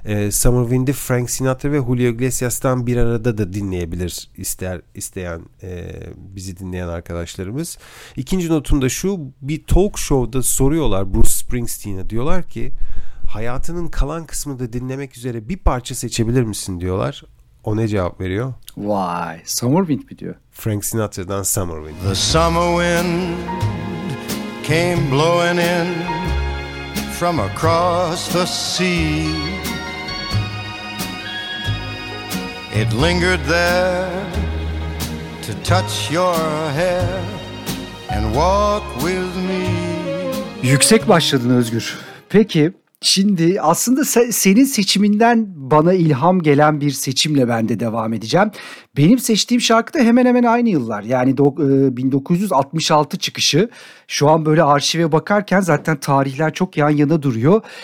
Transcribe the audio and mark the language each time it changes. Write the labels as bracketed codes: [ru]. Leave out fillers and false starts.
[tr] Summer Wind'i Frank Sinatra ve Julio Iglesias'tan bir arada da dinleyebilir isteyen bizi dinleyen arkadaşlarımız. İkinci notum da şu, bir talk show'da soruyorlar Bruce Springsteen'e, diyorlar ki hayatının kalan kısmını da dinlemek üzere bir parça seçebilir misin diyorlar. O ne cevap veriyor? Vay, Summer Wind mi diyor? Frank Sinatra'dan Summer Wind. [en] The Summer Wind came blowing in from across the sea. It lingered there to touch your hair and walk with me. [tr] Yüksek başladın Özgür. Peki şimdi aslında senin seçiminden bana ilham gelen bir seçimle ben de devam edeceğim. Benim seçtiğim şarkı da hemen hemen aynı yıllar. Yani 1966 çıkışı. Şu an böyle arşive bakarken zaten tarihler çok yan yana duruyor.